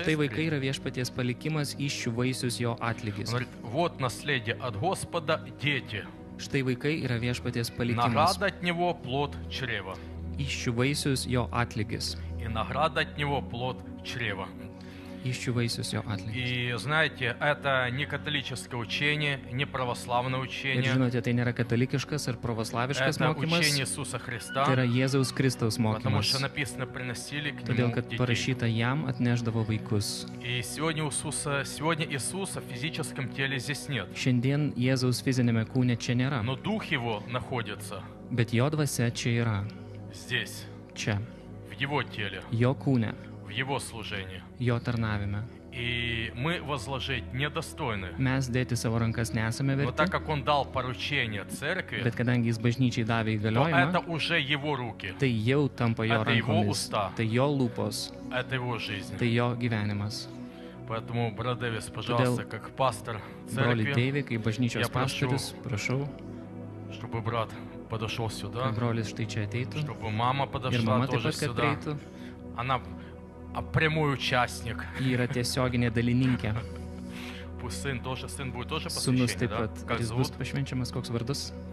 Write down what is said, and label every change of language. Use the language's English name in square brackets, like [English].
[Lithuanian] Štai vaikai yra viešpaties palikimas, iščių vaisius jo atlygis. [Russian] Вот наследие от Господа дети. [Lithuanian] Štai vaikai yra viešpaties palikimas. [Russian] Награда от него плод чрева. [Lithuanian] Iščių vaisius jo atlygis. [Russian] И награда от него плод чрева. [Lithuanian] Iščių vaisius jo atlygis. [Russian] И знаете, это не католическое учение, не православное учение. [Lithuanian] Ir žinote, tai nėra katalikiškas ar православiškas mokymas. [Russian] Это учение Иисуса Христа. [Lithuanian] Tai yra Jėzaus Kristaus mokymas. [Russian] Потому что написано, приносили к нему [Lithuanian] детей. Todėl, kad parašyta, jam atnešdavo vaikus. [Russian] И сегодня Иисуса, сегодня Иисуса в физическом теле здесь нет. [Lithuanian] Šiandien Jėzaus fiziniame kūne čia nėra. [Russian] Но дух его находится. [Lithuanian] Bet jo dvasia čia yra. [Russian] Здесь. [Lithuanian] Čia. [Russian] В его теле. [Lithuanian] Jo kūne. [Russian] В его служении. [Lithuanian] Jo tarnavime. [Russian] И мы возложить недостойны. [Lithuanian] Mes dėti savo rankas nesame verti. [Russian] Но так как он дал поручение церкви. [Lithuanian] Bet kadangi jis bažnyčiai davė įgaliojimą. [Russian] Это уже его руки. [Lithuanian] Tai jau tampa jo rankomis. [Russian] Это его уста. [Lithuanian] Tai jo lūpos. [Russian] Это его жизнь. [Lithuanian] Tai jo gyvenimas. [Russian] Поэтому, брат Дэвис, пожалуйста, как пастор церкви. [Lithuanian] Broli Davy, kaip bažnyčios pastorius, prašau. [Russian] Чтобы брат подошел сюда. [Lithuanian] Brolis štai čia ateitų. [Russian] Чтобы мама подошла тоже сюда. [Lithuanian] Ir mama [Russian] тоже [Lithuanian] taip pat, kad ateitų. [Russian] Она прямой участник. И это тесёгине далининке. Пусть сын тоже, сын будет тоже посвящение, да? Как зовут? Посвящаемый, сколько вардос?